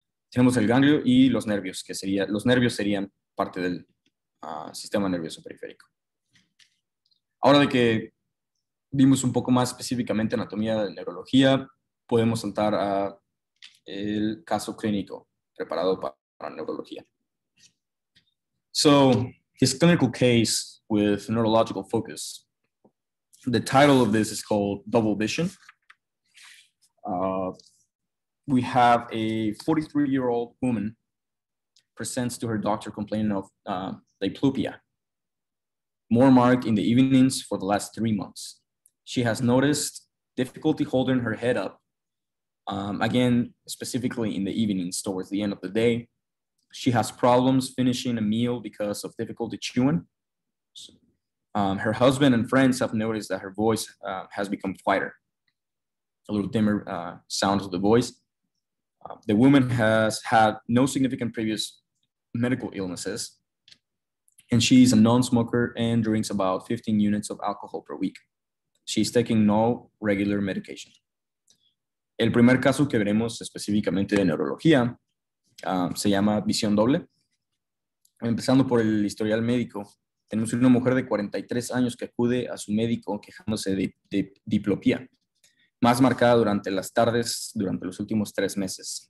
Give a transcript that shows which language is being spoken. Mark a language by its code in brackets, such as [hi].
[es] Tenemos el ganglio y los nervios, que sería, los nervios serían parte del sistema nervioso periférico. Ahora de que vimos un poco más específicamente anatomía de neurología, podemos saltar al caso clínico preparado para neurología. [en] So, this clinical case with neurological focus. The title of this is called Double Vision. We have a 43-year-old woman presents to her doctor complaining of diplopia, more marked in the evenings for the last 3 months. She has noticed difficulty holding her head up. Again, specifically in the evenings towards the end of the day. She has problems finishing a meal because of difficulty chewing. Her husband and friends have noticed that her voice has become quieter, a little dimmer sound of the voice. The woman has had no significant previous medical illnesses, and she is a non-smoker and drinks about 15 units of alcohol per week. She's taking no regular medication. [es] El primer caso que veremos específicamente de neurología se llama visión doble. Empezando por el historial médico, tenemos una mujer de 43 años que acude a su médico quejándose de diplopía, más marcada durante las tardes durante los últimos 3 meses.